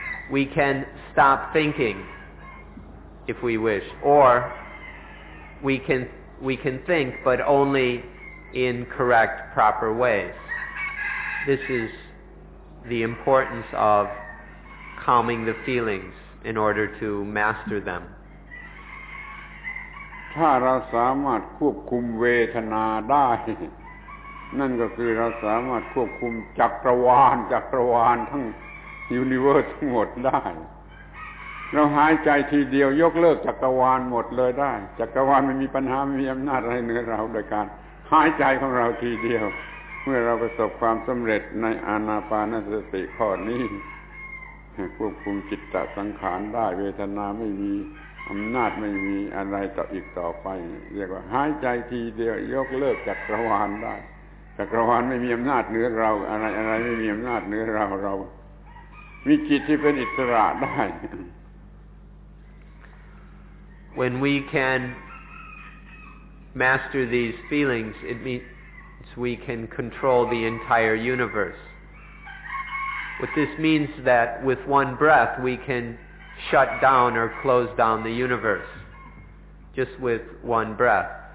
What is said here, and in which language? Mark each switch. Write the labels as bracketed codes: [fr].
[en] We can stop thinking if we wish, or we can think, but only in correct, proper ways. This is the importance of calming the feelings in order to master them. [th] ถ้าเราสามารถควบคุมเวทนาได้นั่นก็คือเราสามารถควบคุมจักรวาลทั้งยูนิเวิร์สทั้งหมดได้เราหายใจทีเดียวยกเลิกจักรวาลหมดเลยได้จักรวาลไม่มีปัญหาไม่มีอำนาจอะไรเหนือเราโดยการหายใจของเราทีเดียวเมื่อเราประสบความสำเร็จในอานาปานสติข้อนี้ ควบคุมจิตตสังขารได้เวทนาไม่มีอำนาจไม่มีอะไรต่ออีกต่อไปเรียกว่าหายใจทีเดียวยกเลิกจักรวาลได้จักรวาลไม่มีอำนาจเหนือเราอะไรไม่มีอำนาจเหนือเรามีจิตที่เป็นอิสระได้ [en] When we can master these feelings, it means we can control the entire universe. What this means that with one breath we canshut down or close down the universe just with one breath.